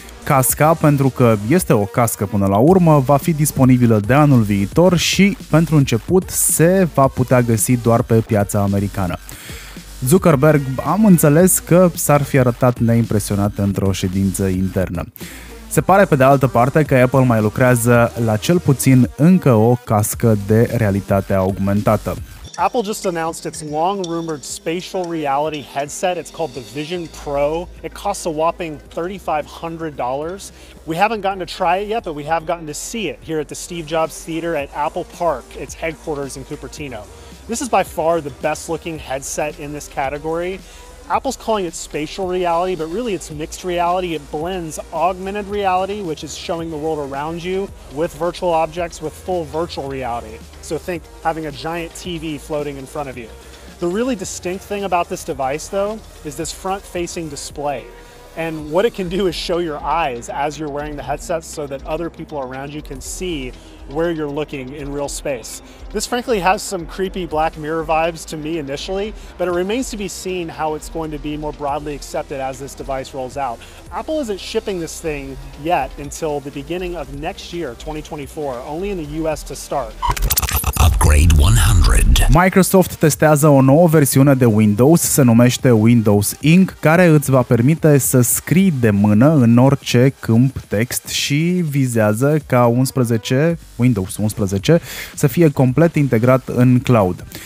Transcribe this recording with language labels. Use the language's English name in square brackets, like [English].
[Romanian] Casca, pentru că este o cască până la urmă, va fi disponibilă de anul viitor și, pentru început, se va putea găsi doar pe piața americană. Zuckerberg, am înțeles că s-ar fi arătat neimpresionat într-o ședință internă. Se pare, pe de altă parte, că Apple mai lucrează la cel puțin încă o cască de realitate augmentată. [English] Apple just announced its long-rumored spatial reality headset. It's called the Vision Pro. It costs a whopping $3,500. We haven't gotten to try it yet, but we have gotten to see it here at the Steve Jobs Theater at Apple Park, its headquarters in Cupertino. This is by far the best-looking headset in this category. Apple's calling it spatial reality, but really it's mixed reality. It blends augmented reality, which is showing the world around you, with virtual objects, with full virtual reality. So think having a giant TV floating in front of you. The really distinct thing about this device, though, is this front-facing display. And what it can do is show your eyes as you're wearing the headset so that other people around you can see where you're looking in real space. This frankly has some creepy Black Mirror vibes to me initially, but it remains to be seen how it's going to be more broadly accepted as this device rolls out. Apple isn't shipping this thing yet until the beginning of next year, 2024, only in the US to start. Upgrade 100. [Romanian] Microsoft testează o nouă versiune de Windows, se numește Windows Ink, care îți va permite să scrii de mână în orice câmp text și vizează ca Windows 11 să fie complet integrat în cloud.